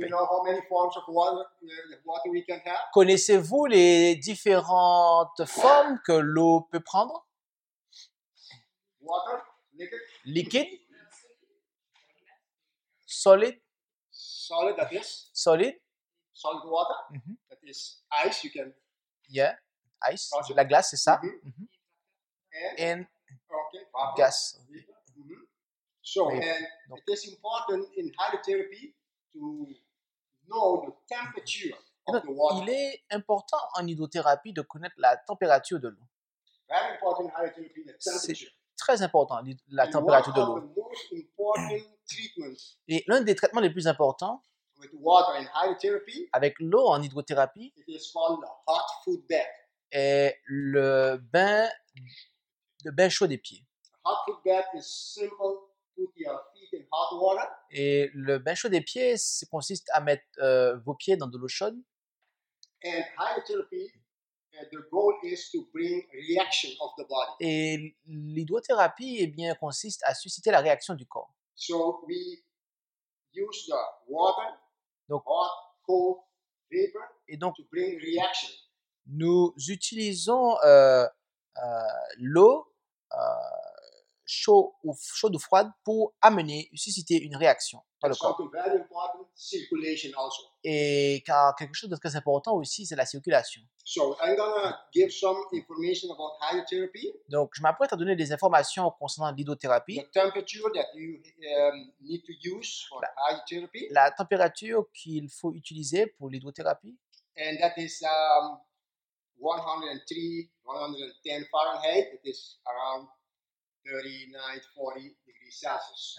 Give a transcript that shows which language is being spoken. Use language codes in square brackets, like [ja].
[en] You know how many forms of water we can have? [fr] Connaissez-vous les différentes formes que l'eau peut prendre? [en] Water, liquid. [fr] Liquide. [en] Solid. Solid, that is. Solid. Solid water, mm-hmm. That is ice, you can. Yeah. Ice, [fr] la glace, c'est ça. [en] And okay, gas. So, and it is important in hydrotherapy to know the temperature of the water. [fr] Il est important en hydrothérapie de connaître la température de l'eau. [en] Very important in hydrotherapy, the temperature. [fr] C'est très important, la température de l'eau. [en] One of the most important treatments. [fr] Et l'un des traitements les plus importants. [en] With water in hydrotherapy. [fr] Avec l'eau en hydrothérapie. [en] It is called a hot foot bath. [fr] Est le bain chaud des pieds. [en] Hot foot bath is simple. Put your feet in hot water. [fr] Et le bain chaud des pieds consiste à mettre vos pieds dans de l'eau chaude. [en] And hydrotherapy, the goal is to bring reaction of the body. [fr] Et l'hydrothérapie consiste à susciter la réaction du corps. [en] So we use the water, donc, hot, cold, vapor, [fr] et donc, [en] to bring reaction. [fr] Nous utilisons l'eau chaude ou froide pour amener, susciter une réaction dans le corps. [en] Very important, circulation also. [fr] Et car quelque chose de très important aussi, c'est la circulation. [en] So, I'm gonna give some information about hydrotherapy. [fr] Donc, je m'apprête à donner des informations concernant l'hydrothérapie. [en] The temperature that you need to use for hydrotherapy. [fr] La température qu'il faut utiliser pour l'hydrothérapie. [en] And that is 103-110 Fahrenheit, it is around 39-40 degrees Celsius.